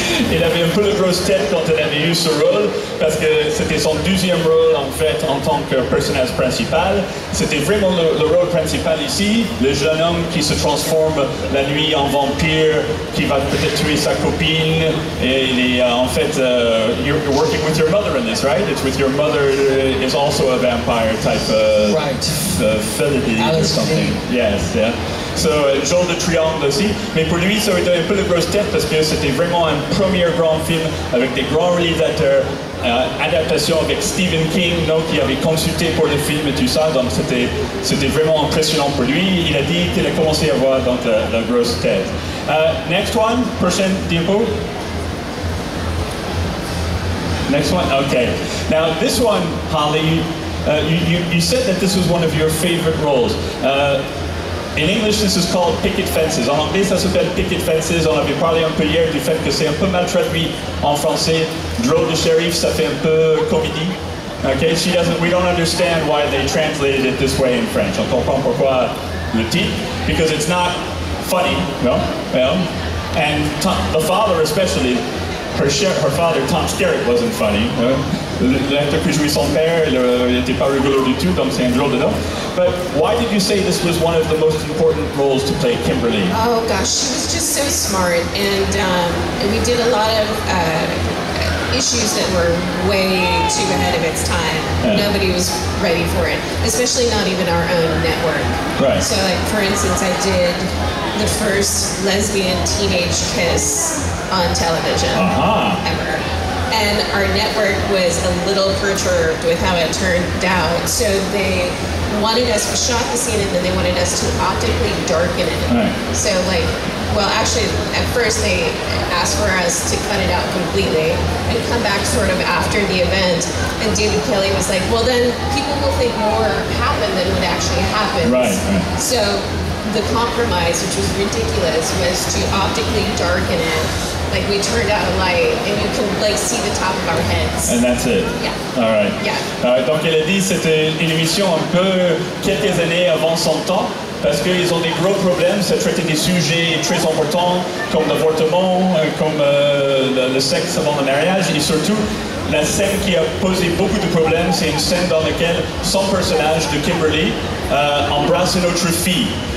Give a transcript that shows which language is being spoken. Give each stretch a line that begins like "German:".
French: Il avait un peu de grosse tête quand il avait eu ce rôle, parce que c'était son deuxième rôle en fait en tant que personnage principal. C'était vraiment le rôle principal ici, le jeune homme qui se transforme la nuit en vampire, qui va peut-être tuer sa copine. Et il est en fait,
English: you're working with your mother in this, right? It's with your mother, is also a vampire type of... Right. Felidine or something. Fee. Yes, yeah. So,
French: genre de triangle aussi. Mais pour lui, ça aurait été un peu de grosse tête parce que c'était vraiment un premier grand film avec des grands réalisateurs, adaptation avec Stephen King, no, qui avait consulté pour le film et tout ça. Donc, c'était vraiment impressionnant pour lui. Il a dit qu'il a commencé à voir donc, la grosse tête.
English: Next one,
French: prochaine diapo.
English: Next one, okay. Now, this one, Holly, you said that this was one of your favorite roles. In English, this is called Picket Fences.
French: En anglais, ça s'appelle Picket Fences. On avait parlé un peu hier du fait que c'est un peu mal traduit en français. Drôle de shérif, ça fait un peu comédie.
English: Okay, we don't understand why they translated it this way in French.
French: On comprend pourquoi le titre.
English: Because it's not funny, no? Well, and the father especially, her father, Tom Skerritt, wasn't funny.
French: L'acteur qui jouait son père, il n'était pas rigolo du tout, donc c'est un drôle de nom.
English: But why did you say this was one of the most important roles to play Kimberly? Oh gosh, she was just so smart, and we did a lot of issues that were way too ahead of its time. Yeah. Nobody was ready for it, especially not even our own network. Right. So like, for instance, I did the first lesbian teenage kiss on television ever. And our network was a little perturbed with how it turned out. So they wanted us, we shot the scene and then they wanted us to optically darken it. Right. So like, well actually at first they asked for us to cut it out completely and come back sort of after the event. And David Kelly was like, well then people will think more happened than what actually happened. Right. So the compromise, which was ridiculous, was to optically darken it. Like, we turned out a light, and you can, like, see the top of our heads. And that's it. Yeah. All right. Yeah. All right,
French: donc elle a dit c'était une émission un peu quelques années avant son temps. Parce qu'ils ont des gros problèmes, ça traite des sujets très importants comme l'avortement, comme le sexe avant le mariage, et surtout la scène qui a posé beaucoup de problèmes, c'est une scène dans laquelle son personnage de Kimberly embrasse une autre fille.